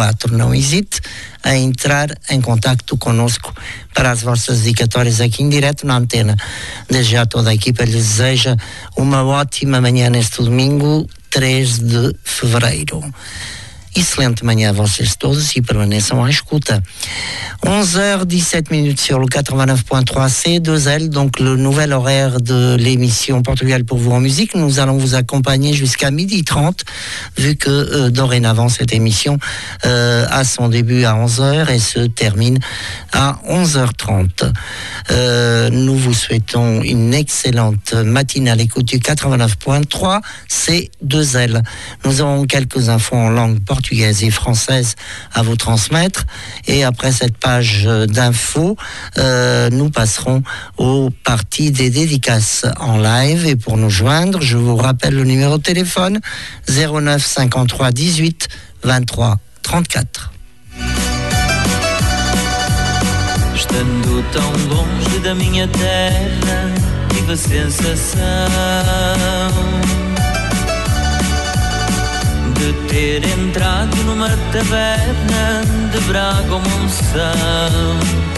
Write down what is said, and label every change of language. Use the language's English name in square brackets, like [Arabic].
[Portuguese] Não hesite a entrar em contacto connosco para as vossas dedicatórias aqui em direto na antena. Desde já toda a equipa lhes deseja uma ótima manhã neste domingo 3 de fevereiro. Excelente manhã a vocês todos e permaneçam à escuta. [French] 11h17 sur le 89.3C, 2L, donc le nouvel horaire de l'émission Portugal pour vous en musique. Nous allons vous accompagner jusqu'à 12h30, vu que dorénavant cette émission a son début à 11h et se termine à 11h30. Nous vous souhaitons une excellente matinée à l'écoute du 89.3 C2L. Nous avons quelques infos en langue portugaise et française à vous transmettre et après cette page d'infos, nous passerons aux parties des dédicaces en live. Et pour nous joindre, je vous rappelle le numéro de téléphone 09 53 18 23 34. [Portuguese] Estando tão longe da minha terra, tive a sensação de ter entrado numa taberna de Braga ou Monção.